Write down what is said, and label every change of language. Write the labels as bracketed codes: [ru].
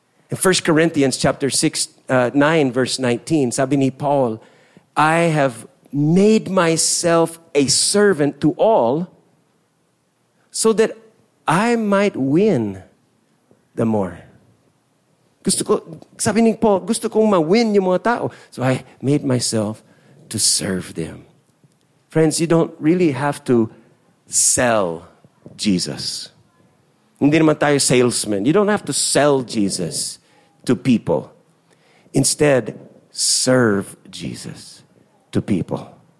[en] In 1 Corinthians chapter 6, 9, verse 19, [tl] sabi ni Paul, [en] I have made myself a servant to all so that I might win the more. [tl] Gusto ko, sabi ni Paul, gusto kong ma-win yung mga tao. [en] So I made myself to serve them. Friends, you don't really have to sell Jesus. [tl] Hindi naman tayo salesman. [en] You don't have to sell Jesus to people. Instead, serve Jesus to people.